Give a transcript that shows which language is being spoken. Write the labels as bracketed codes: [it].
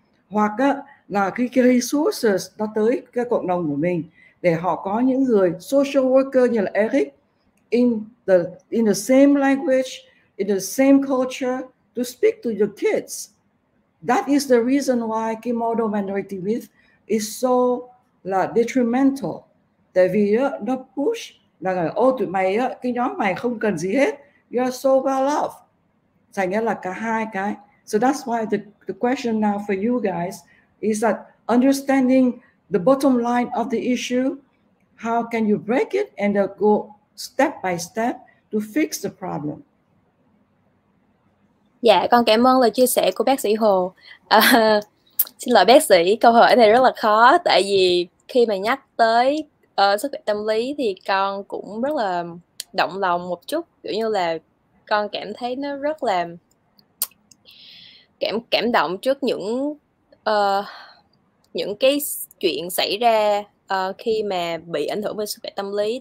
[vi] Hoặc là cái resources nó tới cái cộng đồng của mình, để họ có những người social worker như là Eric, [en] in the same language, in the same culture, to speak to your kids. That is the reason why cái model minority myth is so là detrimental. [vi] Tại vì nó push là ô tụi mày cái nhóm mày không cần gì hết, [en] you are so well off, [vi] thành ra là cả hai cái. [en] So that's why the question now for you guys is that understanding the bottom line of the issue, how can you break it and go step by step to fix the problem. [vi] Dạ, con cảm ơn lời chia sẻ của bác sĩ Hồ. Xin lỗi bác sĩ, câu hỏi này rất là khó, tại vì khi mà nhắc tới sức khỏe tâm lý thì con cũng rất là động lòng một chút, kiểu như là con cảm thấy nó rất là cảm động trước những cái chuyện xảy ra khi mà bị ảnh hưởng về sức khỏe tâm lý.